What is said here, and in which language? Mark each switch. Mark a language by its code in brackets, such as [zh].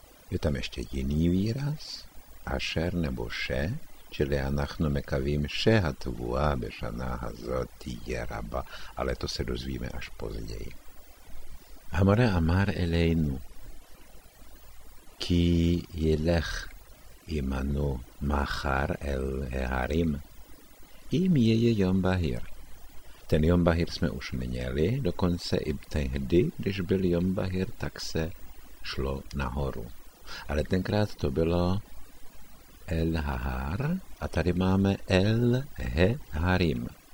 [cs] Je tam ještě jiný výraz, asher nebo še, Čili [he] אנחנו מקווים שהתבואה בשנה הזאת תהיה רבה, [cs] ale to se dozvíme až později. [he] המורה אמר אלינו, כי ילך עמנו מחר אל הערים, אם יהיה יום בהיר. [cs] Ten [he] יום בהיר [cs] jsme už měli, dokonce i tehdy, když byl יום בהיר, tak se šlo nahoru. Ale tenkrát to bylo El Hahar a tady máme El He Harim.